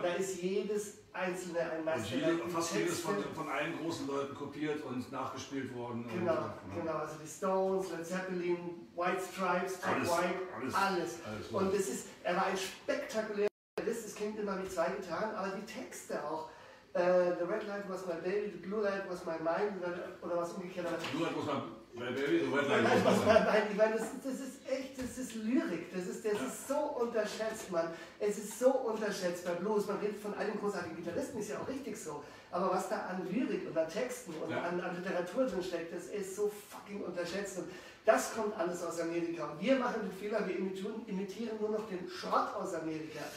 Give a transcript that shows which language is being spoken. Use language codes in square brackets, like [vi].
[de] Da ist jedes einzelne ein Meisterwerk. Fast jedes von allen großen Leuten kopiert und nachgespielt worden. Genau, und, ja. Genau. Also die Stones, Led Zeppelin, White Stripes, alles. Und es ist, er war ein spektakulärer Liste, es klingt immer wie zwei Gitarren, aber die Texte auch. [en] The Red Light was my baby, the Blue Light was my mind, [de] oder was umgekehrt. [en] The Blue Light was my baby, the Red Light was my mind. [de] Ich meine, das ist echt, das ist Lyrik, das ist so unterschätzt, Mann. Es ist so unterschätzt bei Blues. Man redet von einem großartigen Gitarristen, ist ja auch richtig so. Aber was da an Lyrik und an Texten und an Literatur drin steckt, das ist so fucking unterschätzt. Und das kommt alles aus Amerika. Und wir machen den Fehler, wir imitieren nur noch den Schrott aus Amerika.